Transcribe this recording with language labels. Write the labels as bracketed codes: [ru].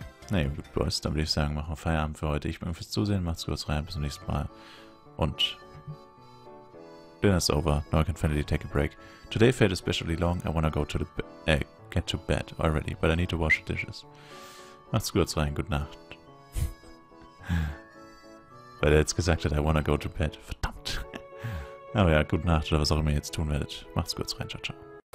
[de] Na ja, gut, Boys, dann würde ich sagen, machen wir Feierabend für heute. Ich bin fürs Zusehen, macht's kurz rein, bis zum nächsten Mal. [en] Und dinner's over, now I can finally take a break. Today felt especially long, I wanna go to the get to bed already, but I need to wash the dishes. [de] Macht's kurz rein, gute Nacht. Weil er jetzt gesagt hat, [en] I wanna go to bed, [de] verdammt. Aber ja, gute Nacht, oder was auch immer ihr jetzt tun werdet. Macht's kurz rein, ciao, ciao.